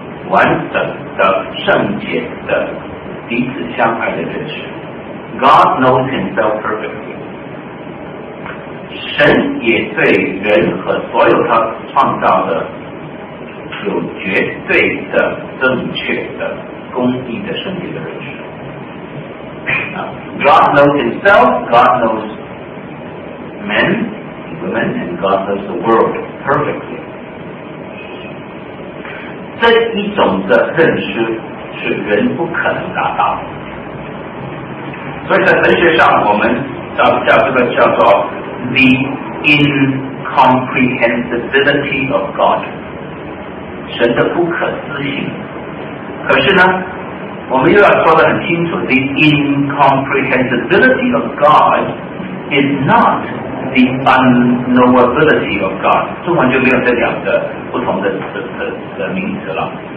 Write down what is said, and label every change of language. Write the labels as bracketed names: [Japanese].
[Chinese] 完整的圣洁的彼此相爱的认识， [English] God knows himself perfectly， [Chinese] 神也对人和所有他创造的有绝对的正确的公义的圣洁的认识。 [English] God knows himself， God knows men women and God knows the world perfectly， [Chinese] 这一种的认识是人不可能达到的。所以在神学上我们叫这个叫做 [English] The incomprehensibility of God， [Chinese] 神的不可思议。可是呢，我们又要说得很清楚， [English] The incomprehensibility of God [Chinese] is not the unknowability of God， 中文就没有这两个不同的名词了。